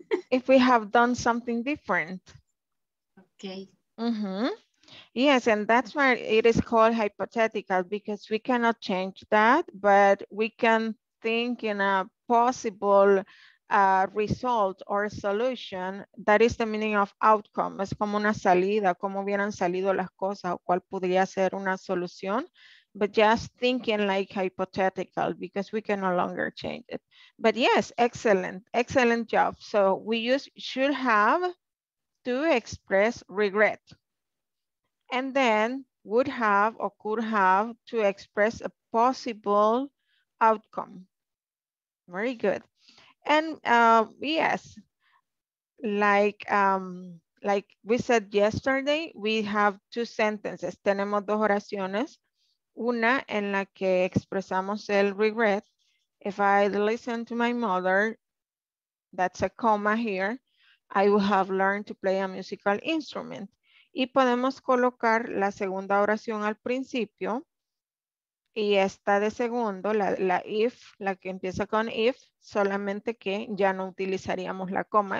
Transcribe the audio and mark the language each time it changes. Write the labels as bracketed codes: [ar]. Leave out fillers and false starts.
[en] If we have done something different. Okay. Mm-hmm. Yes, and that's why it is called hypothetical, because we cannot change that, but we can think in a possible result or solution. That is the meaning of outcome. [es] Es como una salida, cómo hubieran salido las cosas, o cuál podría ser una solución. [en] But just thinking like hypothetical, because we can no longer change it. But yes, excellent, excellent job. So we use should have to express regret. And then would have or could have to express a possible outcome. Very good. And yes, like we said yesterday, we have two sentences. [es] Tenemos dos oraciones. Una en la que expresamos el regret. [en] If I'd listened to my mother, that's a comma here, I would have learned to play a musical instrument. [es] Y podemos colocar la segunda oración al principio y esta de segundo, la if, la que empieza con if, solamente que ya no utilizaríamos la coma.